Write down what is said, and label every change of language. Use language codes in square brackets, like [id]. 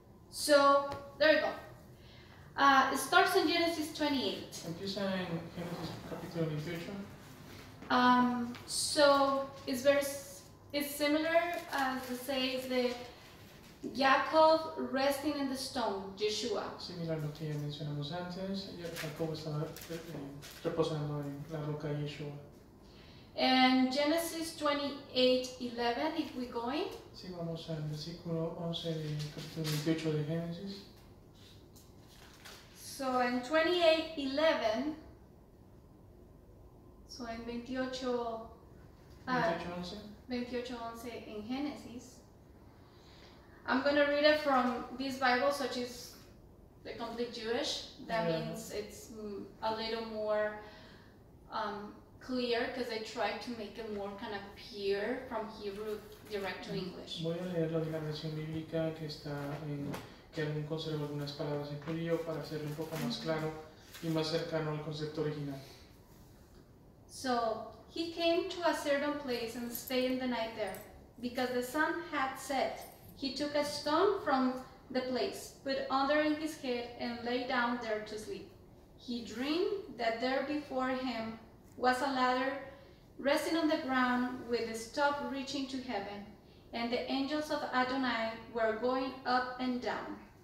[en] So, there you go. It starts in Genesis 28. [es] Empieza en Genesis capítulo 28. [en] So, it's similar as to say the Jacob resting in the stone, Yeshua. [es] Similar a lo que ya mencionamos antes, Jacob estaba reposando en la roca de Yeshua. [en] And Genesis 28:11, if we're going. [es] Sí, vamos al versículo 11 del capítulo 28 de Génesis. [en] So in 28:11, so in 28:11 in Genesis. I'm going to read it from this Bible, which is the complete Jewish. That means it's a little more clear, because I tried to make it more kind of pure from Hebrew direct to English. [es] Voy a leerlo de la versión bíblica que está en, que aún conservo algunas palabras en judío para hacerlo un poco más claro y más cercano al concepto original. [en] So, he came to a certain place and stayed in the night there, because the sun had set. He took a stone from the place, put under his head, and lay down there to sleep. He dreamed that there before him was a ladder resting on the ground with its top reaching to heaven, and the angels of Adonai were going up and down.